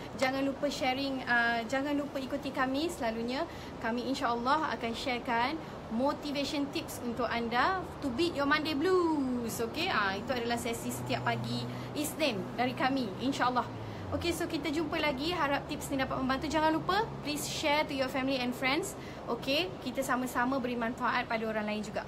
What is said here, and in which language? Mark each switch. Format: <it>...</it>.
<ms>Jangan lupa sharing, jangan lupa ikuti kami. Selalunya kami insyaAllah akan sharekan motivation tips untuk anda</ms> <en>to beat your Monday blues.</en> <ms>Okay, itu adalah sesi setiap pagi Isnin dari kami, insyaAllah. Okay, so kita jumpa lagi. Harap tips ni dapat membantu. Jangan lupa,</ms> <en>please share to your family and friends.</en> <ms>Okay, kita sama-sama beri manfaat pada orang lain juga.</ms>